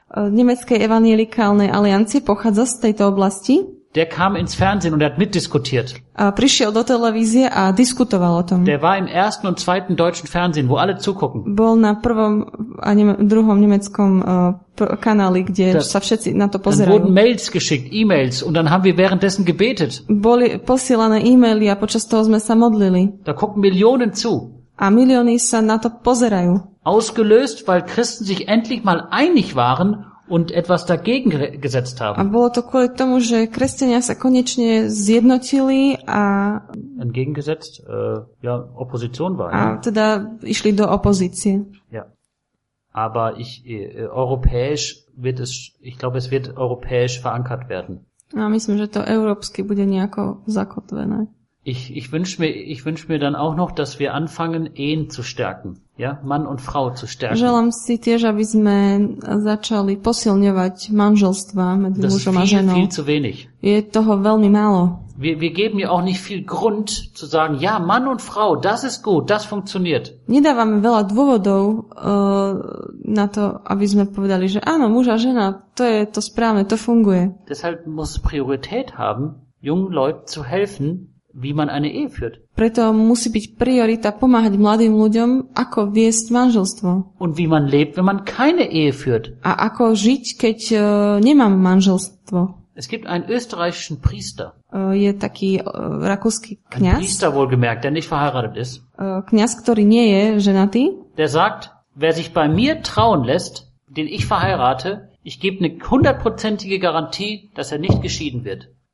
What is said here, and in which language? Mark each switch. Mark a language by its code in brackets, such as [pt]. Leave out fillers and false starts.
[sk] Nemeckej evangelikálnej aliancie pochádza z tejto oblasti. [de] Der kam ins Fernsehen und hat mitdiskutiert. [sk] A prišiel do televízie a diskutoval o tom. [de] Der war im ersten und zweiten deutschen Fernsehen, wo alle zugucken. [sk] Bol na prvom a druhom nemeckom kanáli, kde sa všetci na to pozerajú. [de] Dann wurden Mails geschickt, E-Mails, und dann haben wir währenddessen gebetet. [sk] Boli posielané e-maily a počas toho sme sa modlili. [de] Da gucken Millionen zu. [sk] A milióny sa na to pozerajú. [de] Ausgelöst, weil Christen sich endlich mal einig waren und etwas dagegen gesetzt haben. [sk] A bolo to kvôli tomu, že kresťania sa konečne zjednotili a [de] entgegengesetzt, ja, Opposition war. [sk] A teda išli do opozície. [de] Ja. Aber ich europäisch wird es, ich glaube, es wird europäisch verankert werden. [sk] No, myslím, že to európsky bude nejako zakotvené. [de] Ich wünsch mir dann auch noch, dass wir anfangen, Ehen zu stärken, ja, Mann und Frau zu stärken. [sk] Želám si tiež, aby sme začali posilňovať manželstva medzi mužom a ženou. [de] Viel zu wenig. [sk] Je toho veľmi málo. [de] Wir geben ja auch nicht viel Grund zu sagen, ja, Mann und Frau, das ist gut, das funktioniert. [sk] Nedávame veľa dôvodov na to, aby sme povedali, že áno, muž a žena, to je to správne, to funguje. [de] Deshalb muss Priorität haben, jungen Leuten zu helfen, wie man eine Ehe führt. [sk] Preto musí byť priorita pomáhať mladým ľuďom, ako viesť manželstvo. [de] Und wie man lebt, wenn man keine Ehe führt. [sk] A ako žiť, keď nemám manželstvo. [de] Es gibt einen österreichischen Priester. [sk] Je taký rakúsky kňaz. [de] Ein Priester wohlgemerkt, der nicht verheiratet ist. [sk] Kňaz, ktorý nie je ženatý. [de] Der sagt, wer sich bei mir trauen lässt, den ich verheirate, ich gebe eine hundertprozentige Garantie, dass er nicht geschieden wird.